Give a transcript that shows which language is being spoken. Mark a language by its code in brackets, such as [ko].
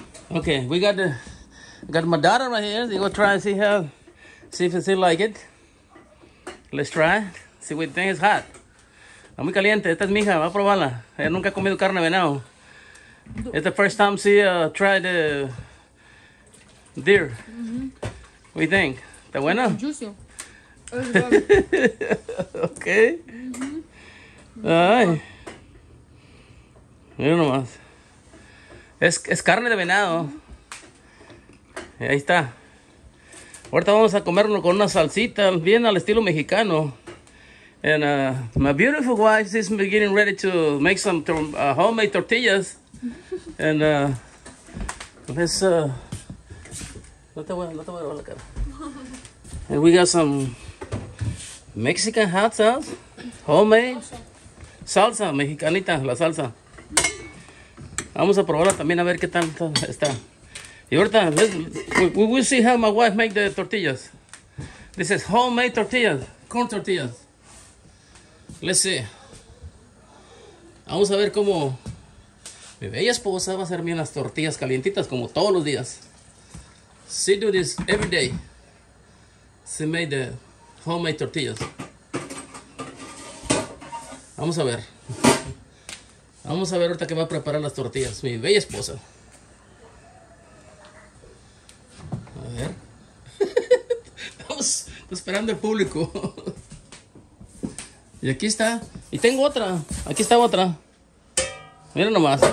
[en] Okay, we got the got my daughter right here. They go try and see how see if she like it. Let's try. See what thing is hot. [es] Está muy caliente. Esta es mi hija. Va a probarla. Ella nunca ha comido carne de venado. [en] It's the first time she tried the deer. Mm-hmm. What do you think? [es] ¿Está buena? [en] Juicy. [es] Okay. Ay. Mira nomás. Es carne de venado. Y ahí está. Ahorita vamos a comerlo con una salsita bien al estilo mexicano. [en] And my beautiful wife is getting ready to make some homemade tortillas. And let's [es] no te voy a ver la cara. [en] And we got some Mexican hot sauce, homemade, [es] salsa, mexicanita, la salsa. Vamos a probarla también a ver qué tal está. Y ahorita, [en] we will see how my wife make the tortillas. This is homemade tortillas, corn tortillas. Let's see. [es] Vamos a ver cómo mi bella esposa va a hacer bien las tortillas calientitas como todos los días. [en] She do this every day. She made the homemade tortillas. [es] Vamos a ver. Vamos a ver ahorita que va a preparar las tortillas. Mi bella esposa. A ver. Estamos esperando el público. Y aquí está. Y tengo otra. Aquí está otra. Miren nomás.